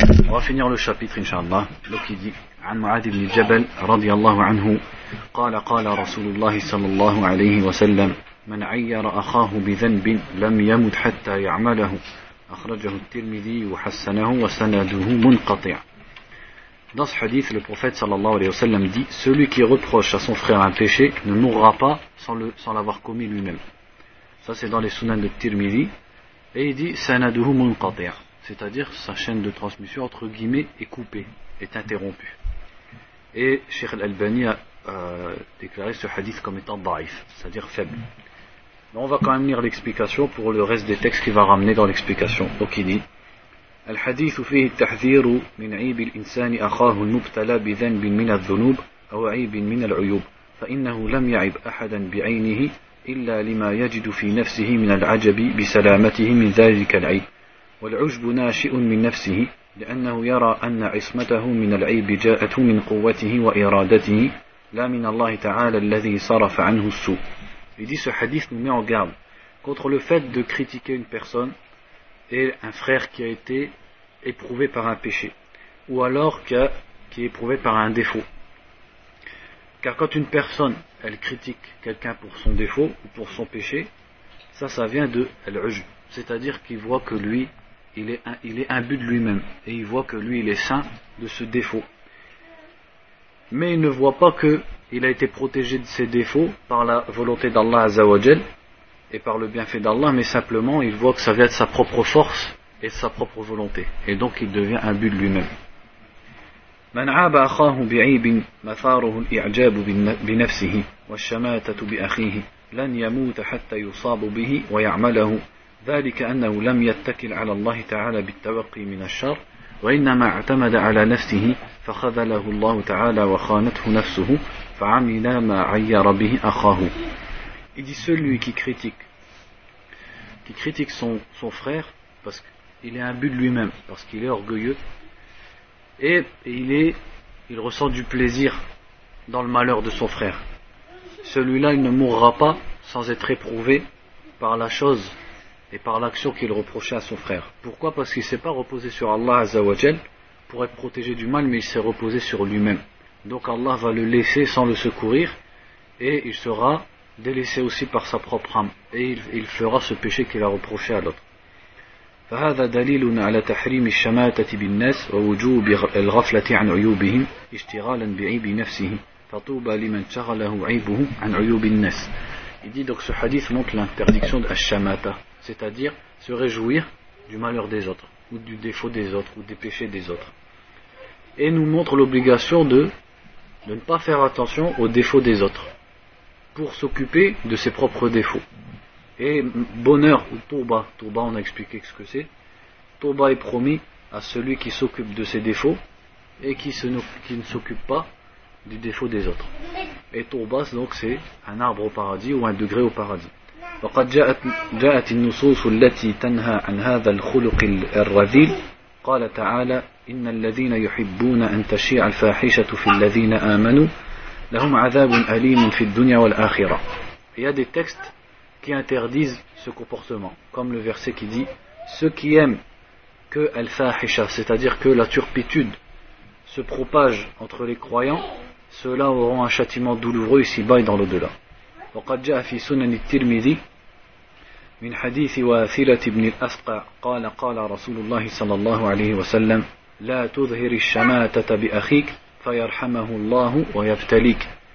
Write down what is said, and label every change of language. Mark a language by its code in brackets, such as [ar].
[fr] وفينير لو شابيتر [ar] إن شاء الله. [fr] لو كي دي [ar] عن معاذ بن جبل رضي الله عنه قال قال رسول الله صلى الله عليه وسلم من عير أخاه بذنب لم يمد حتى يعمله أخرجه الترمذي وحسنه وسنده منقطع. [fr] Dans ce hadith, le prophète sallallahu alayhi wa sallam dit « Celui qui reproche à son frère un péché ne mourra pas sans l'avoir commis lui-même. » Ça, c'est dans les sunnans de Tirmidhi. Et il dit « [ar] Sanaduhu munqati'a [fr] » c'est-à-dire sa chaîne de transmission, entre guillemets, est coupée, est interrompue. Et Cheikh Al-Albani a déclaré ce hadith comme étant « da'if », c'est-à-dire faible. Mais on va quand même lire l'explication pour le reste des textes qu'il va ramener dans l'explication. Donc il dit [ar] « الحديث فيه التحذير من عيب الإنسان أخاه المبتلى بذنب من الذنوب أو عيب من العيوب فإنه لم يعب أحدا بعينه إلا لما يجد في نفسه من العجب بسلامته من ذلك العيب والعجب ناشئ من نفسه لأنه يرى أن عصمته من العيب جاءت من قوته وإرادته لا من الله تعالى الذي صرف عنه السوء. هذا الحديث [fr] nous met en garde contre le fait de critiquer une personne et un frère qui a été éprouvé par un péché, ou alors qui est éprouvé par un défaut. Car quand une personne, elle critique quelqu'un pour son défaut, ou pour son péché, ça vient de l'ujb, c'est-à-dire qu'il voit que lui, il est imbu de lui-même, et il voit que lui, il est saint de ce défaut. Mais il ne voit pas qu'il a été protégé de ses défauts par la volonté d'Allah Azzawajal, et par le bienfait d'Allah, mais simplement il voit que ça vient de sa propre force et de sa propre volonté. Et donc il devient imbu de lui-même. [ar] من عاب أخاه بعيب مثاره الإعجاب بنفسه والشماتة بأخيه لن يموت حتى يصاب به ويعمله ذلك أنه لم يتكل على الله تعالى بالتوقي من الشر وإنما اعتمد على نفسه فخذله الله تعالى وخانته نفسه فعمل ما عير به أخاه. [fr] Il dit celui qui critique son frère parce qu'il est imbu de lui-même, parce qu'il est orgueilleux, et il ressent du plaisir dans le malheur de son frère. Celui-là, il ne mourra pas sans être éprouvé par la chose et par l'action qu'il reprochait à son frère. Pourquoi ? Parce qu'il ne s'est pas reposé sur Allah Azzawajal pour être protégé du mal, mais il s'est reposé sur lui-même. Donc Allah va le laisser sans le secourir et il sera délaissé aussi par sa propre âme et il fera ce péché qu'il a reproché à l'autre. [ar] فهذا دليل على تحريم الشماتة بالناس ووجوب الغفلة عن عيوبهم اشتغالا بعيب نفسه فطوبى لمن شغله عيبه عن عيوب الناس. [fr] Il dit donc ce hadith montre l'interdiction de الشماتة, c'est-à-dire se réjouir du malheur des autres ou du défaut des autres ou des péchés des autres, et nous montre l'obligation de ne pas faire attention aux défauts des autres pour s'occuper de ses propres défauts. Et bonheur ou Touba, on a expliqué ce que c'est. Touba est promis à celui qui s'occupe de ses défauts et qui ne s'occupe pas du défaut des autres. Et Touba, donc, c'est un arbre au paradis ou un degré au paradis. [ar] وقد جاءت النصوص التي تنهى عن هذا الخلق الرذيل قال تعالى إن الذين يحبون أن تشيع الفاحشة في الذين آمنوا لهم عذاب أليم في الدنيا والآخرة. [fr] Il y a des textes qui interdisent ce comportement, comme le verset qui dit ceux qui aiment que al-fahisha, c'est-à-dire que la turpitude se propage entre les croyants, ceux-là auront un châtiment douloureux ici-bas et dans l'au-delà. [ar] وقد جاء في سنن الترمذي من حديث واثلة بن الأسقع قال قال رسول الله صلى الله عليه وسلم لا تظهر الشماتة بأخيك فَيَرْحَمَهُ اللَّهُ وَيَبْتَلِيكَ.